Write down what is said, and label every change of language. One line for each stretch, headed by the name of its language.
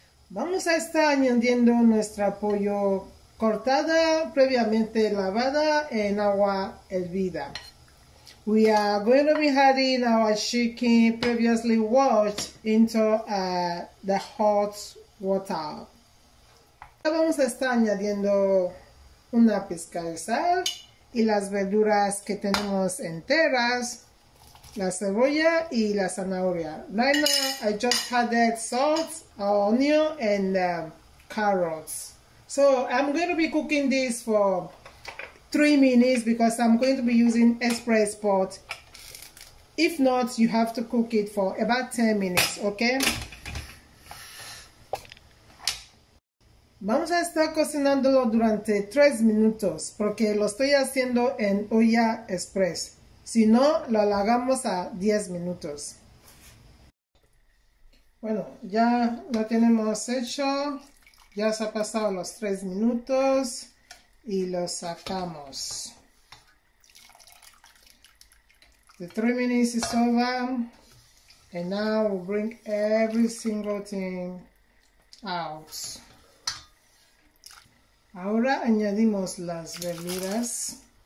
Spanish: Vamos a estar añadiendo nuestro pollo cortada, previamente lavada en agua hervida.
English: We are going to be adding our chicken previously washed into the hot water.
Spanish: Ahora vamos a estar añadiendo una pizca de sal y las verduras que tenemos enteras, la cebolla y la zanahoria.
English: Right now, I just added salt, onion, and carrots. So I'm going to be cooking this for 3 minutes because I'm going to be using express pot. If not, you have to cook it for about 10 minutes, okay?
Spanish: Vamos a estar cocinándolo durante 3 minutos porque lo estoy haciendo en olla express. Si no, lo alargamos a 10 minutos. Bueno, ya lo tenemos hecho. Ya se ha pasado los 3 minutos y lo sacamos.
English: The 3 minutes is over, and now we'll bring every single thing out.
Spanish: Ahora añadimos las verduras.